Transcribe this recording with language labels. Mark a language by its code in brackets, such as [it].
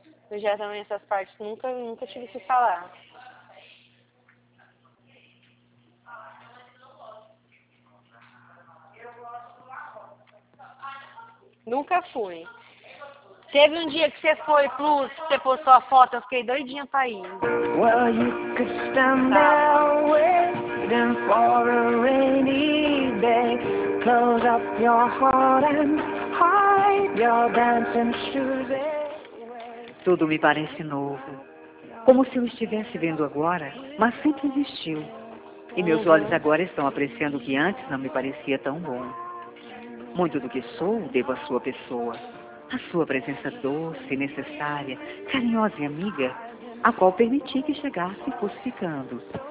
[pt] Eu já também essas partes nunca tive que falar. Nunca fui. Teve um dia que você foi, plus, você postou a foto, eu fiquei doidinha pra ir. [en] Well, you could stand waiting for a rainy day. Close up your heart and hide your dancing shoes away. [pt] Tudo me parece novo. Como se eu estivesse vendo agora, mas sempre existiu. E meus olhos agora estão apreciando o que antes não me parecia tão bom. Muito do que sou, devo à sua pessoa. A sua presença doce, necessária, carinhosa e amiga, a qual permiti que chegasse e fosse ficando.